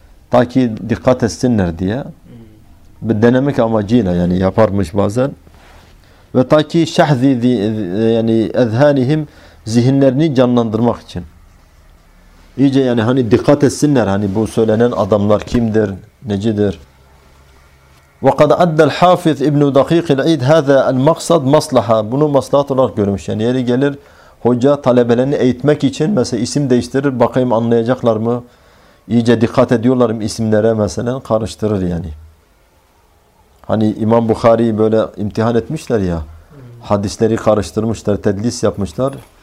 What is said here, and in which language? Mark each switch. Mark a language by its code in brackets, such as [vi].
[tr] Ta ki dikkat etsinler diye. Bir denemek amacıyla yani yaparmış bazen. Ve ta ki şahzi yani ezhanihim zihinlerini canlandırmak için. İyice yani hani dikkat etsinler hani bu söylenen adamlar kimdir, necidir? [ar] وقد أدى الحافظ ابن دقيق العيد هذا المقصد مصلحة. [tr] Bunu maslahat olarak görmüş. Yani yeri gelir hoca talebelerini eğitmek için mesela isim değiştirir. Bakayım anlayacaklar mı? İyice dikkat ediyorlar mı isimlere mesela? Karıştırır yani. Hani İmam Bukhari'yi böyle imtihan etmişler ya. Hadisleri karıştırmışlar, tedlis yapmışlar.